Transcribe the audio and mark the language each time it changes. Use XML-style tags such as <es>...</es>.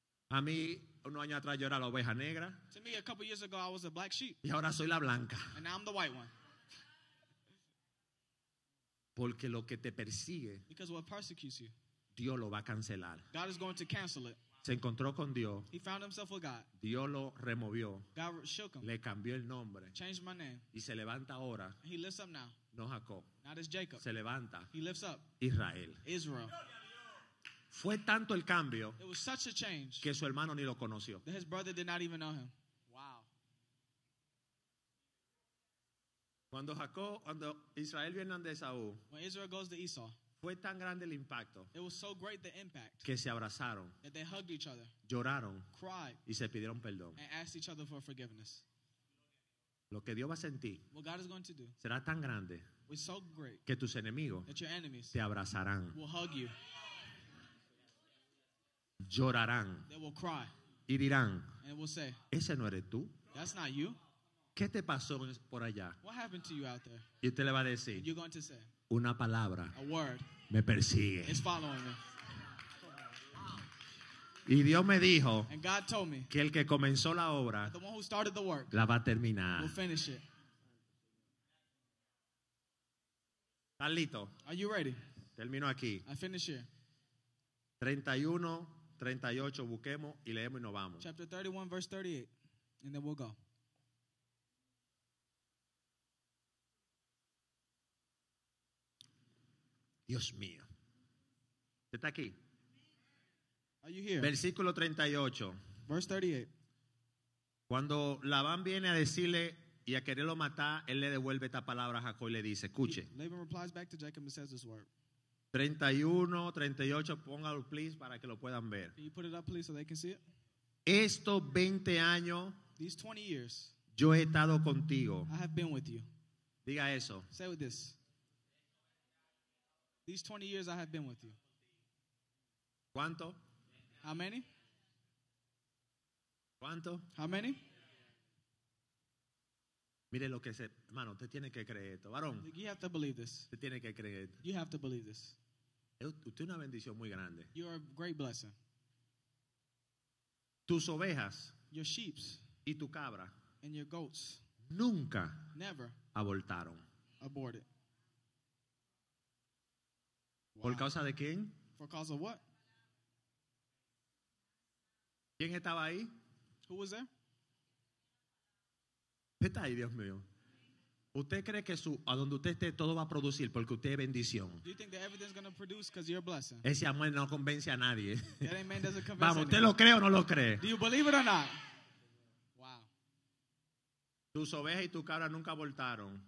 <es>A mí, unos años atrás, yo era la oveja negra.</es> <en>To me, a couple years ago, I was a black sheep.</en> <es>Y ahora soy la blanca.</es> <en>And now I'm the white one.</en> <es>Porque lo que te persigue,</es> <en>because what persecutes you,</en> <es>Dios lo va a cancelar.</es> <en>God is going to cancel it.</en> <es>Se encontró con Dios.</es> <en>He found himself with God.</en> <es>Dios lo removió.</es> <en>God shook him.</en> <es>Le cambió el nombre.</es> <en>Changed my name.</en> <es>Y se levanta ahora.</es> <en>And he lifts up now.</en> <es>No Jacob.</es> <en>Not as Jacob.</en> <es>Se levanta.</es> <en>He lifts up.</en> <es>Israel.</es> <en>Israel.</en> <es>Fue tanto el cambio.</es> <en>It was such a change.</en> <es>Que su hermano ni lo conoció.</es> <en>That his brother did not even know him. Wow.</en> <es>Cuando Jacob, cuando Israel viene de Esaú.</es> <en>When Israel goes to Esau.</en> <es>Fue tan grande el impacto.</es> <en>It was so great the impact.</en> <es>Que se abrazaron.</es> <en>That they hugged each other.</en> <es>Lloraron.</es> <en>Cried.</en> <es>Y se pidieron perdón.</es> <en>And asked each other for forgiveness.</en> <es>Lo que Dios va a sentir,</es> <en>what God is going to do,</en> <es>será tan grande,</es> <en>so great,</en> <es>que tus enemigos,</es> <en>that your enemies,</en> <es>te abrazarán,</es> <en>will hug you,</en> <es>llorarán,</es> <en>they will cry,</en> <es>y dirán,</es> <en>and will say,</en> <es>ese no eres tú,</es> <en>that's not you,</en> <es>¿qué te pasó por allá?</es> <en>What happened to you out there?</en> <es>Y usted le va a decir,</es> <en>you're going to say,</en> <es>una palabra,</es> <en>a word,</en> <es>me persigue,</es> <en>is following me.</en> <es>Y Dios me dijo,</es> <en>and God told me,</en> <es>que el que comenzó la obra,</es> <en>the one who started the work,</en> <es>la va a terminar.</es> <en>Will finish it.</en> <es>¿Estás listo?</es> <en>Are you ready?</en> <es>Termino aquí.</es> <en>I finish here.</en> <es>31, 38, busquemos y leemos y nos vamos.</es> <en>Chapter 31, verse 38, and then we'll go.</en> <es>Dios mío. ¿Está aquí?</es> <en>Are you here?</en> <es>Versículo 38.</es> <en>Verse 38.</en> <es>Cuando Labán viene a decirle y a quererlo matar, él le devuelve esta palabra a Jacob y le dice, escuche.</es> <en>Laban replies back to Jacob and says this word.</en> <es>31, 38, póngalo, please, para que lo puedan ver.</es> <en>Can you put it up, please, so they can see it?</en> <es>Estos 20 años,</es> <en>these 20 years,</en> <es>yo he estado contigo.</es> <en>I have been with you.</en> <es>Diga eso.</es> <en>Say with this. These 20 years I have been with you.</en> <es>¿Cuánto?</es> <en>How many?</en> <es>¿Cuánto?</es> <en>How many?</en> <es>Mire lo que se, hermano, usted tiene que creer esto, varón.</es> <en>You have to believe this.</en> <es>Usted tiene que creer esto.</es> <en>You have to believe this.</en> <es>Usted es una bendición muy grande.</es> <en>You are a great blessing.</en> <es>Tus ovejas.</es> <en>Your sheeps.</en> <es>Y tu cabra.</es> <en>And your goats.</en> <es>Nunca.</es> <en>Never.</en> <es>Abortaron.</es> <en>Aborted.</en> <es>Wow. ¿Por causa de quién?</es> <en>For cause of what?</en> <es>¿Quién estaba ahí?</es> <en>Who was there?</en> <es>¿Qué está ahí, Dios mío? ¿Usted cree que su, a donde usted esté todo va a producir porque usted es bendición?</es> <en>Do you think that everything's going to produce because you're a blessing?</en> <es>Ese amor no convence a nadie.</es> <en>That amen doesn't convince anyone.</en> <es>Vamos, ¿usted lo cree o no lo cree?</es> <en>Do you believe it or not? Wow.</en> <es>Tus ovejas y tu cabra nunca abortaron.</es>